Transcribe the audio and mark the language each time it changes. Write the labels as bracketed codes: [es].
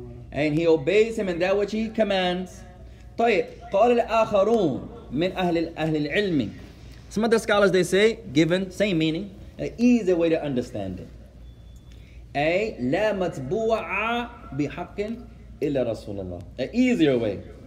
[en] And he obeys him in that which he commands. [ar] طيب, قال الآخرون من أهل العلم. [en] Some of the scholars, they say, given same meaning, an easy way to understand it. [ar] A, la matbu'a bihaqqin illa Rasulullah. [en] An easier way.